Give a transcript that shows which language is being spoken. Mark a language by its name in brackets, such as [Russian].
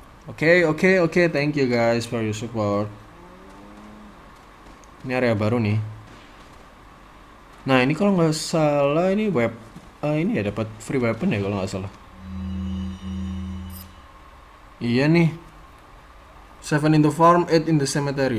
[English] Okay, thank you guys for your support. [Indonesian] Ini area baru nih. Nah, ini kalau nggak salah ini web ini ya dapat free weapon ya kalau nggak salah. Iya nih. [English] 7 in the farm, 8 in the cemetery.